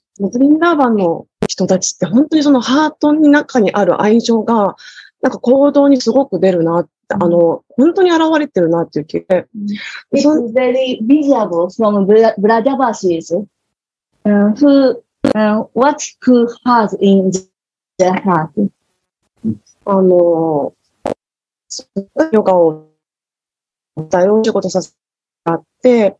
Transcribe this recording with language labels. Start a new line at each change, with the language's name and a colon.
Japanese: Vrindavanの人たちって本当にそのハートの中にある愛情が、なんか行動にすごく出るな、本当に現れてるなっていう気で。
English: It's very visible from Vrajavasis, what who has in their heart.
Japanese: ヨガを大お仕事させてもらって、